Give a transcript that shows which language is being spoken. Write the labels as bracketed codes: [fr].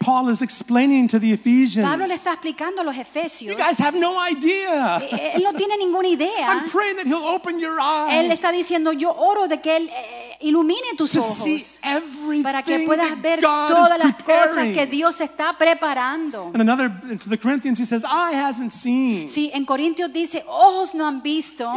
[en] Paul is explaining to the Ephesians. [es] Pablo le está explicando a los Efesios. [en] You guys have no idea. [es] Él no tiene ninguna idea. [en] I'm praying that he'll open your eyes. [es] Él está diciendo, yo oro de que él ilumine tus ojos para que puedas ver todas las cosas que Dios está preparando. [en] And another to the Corinthians, he says, eye hasn't seen. [es] Sí, en Corintios dice, ojos no han visto.